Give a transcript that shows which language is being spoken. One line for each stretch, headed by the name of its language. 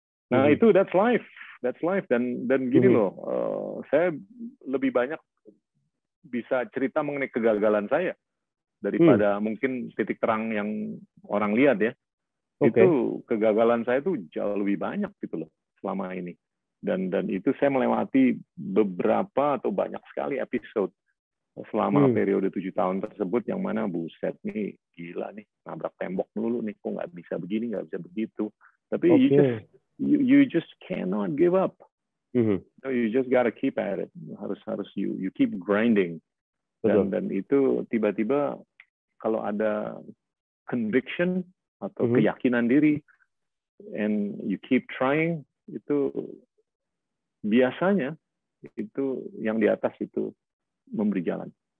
Indonesian: Nah itu
English: that's life
Indonesian: dan gini loh, saya lebih banyak bisa cerita mengenai kegagalan saya daripada mungkin titik terang yang orang lihat ya. Okay. Itu kegagalan saya tuh jauh lebih banyak gitu loh selama ini. dan itu saya melewati beberapa atau banyak sekali episode selama periode 7 tahun tersebut, yang mana buset nih, gila nih, nabrak tembok dulu nih, kok nggak bisa begini, nggak bisa begitu. Tapi
English: okay, you just cannot give up. Mm-hmm. You just gotta keep at it.
Indonesian: Harus
English: you keep grinding.
Indonesian: Dan itu tiba-tiba kalau ada conviction atau keyakinan diri,
English: and you keep trying,
Indonesian: itu biasanya itu yang di atas itu memberi jalan.